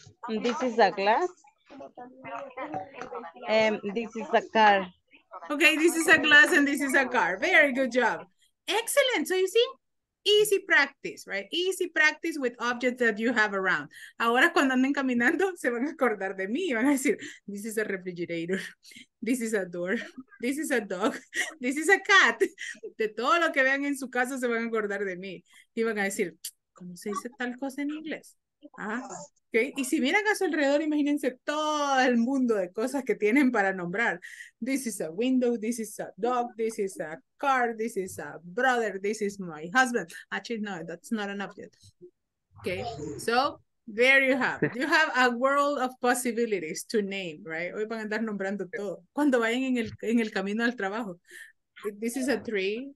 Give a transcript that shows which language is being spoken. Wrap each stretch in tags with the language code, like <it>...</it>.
<en>This is a glass. This is a car. Okay, this is a glass and this is a car. Very good job. Excellent. So you see, easy practice, right? Easy practice with objects that you have around.</en> <es>Ahora cuando anden caminando, se van a acordar de mí. Van a decir,</es> <en>this is a refrigerator. This is a door. This is a dog. This is a cat.</en> <es>De todo lo que vean en su casa, se van a acordar de mí. Y van a decir, ¿cómo se dice tal cosa en inglés? Ah, okay. Y si miran a su alrededor, imagínense todo el mundo de cosas que tienen para nombrar.</es> <en>This is a window, this is a dog, this is a car, this is a brother, this is my husband. Actually, no, that's not an object. Okay, so There you have. You have a world of possibilities to name, right?</en> <es>Hoy van a andar nombrando todo. Cuando vayan en el camino al trabajo.</es> <en>This is a tree.</en>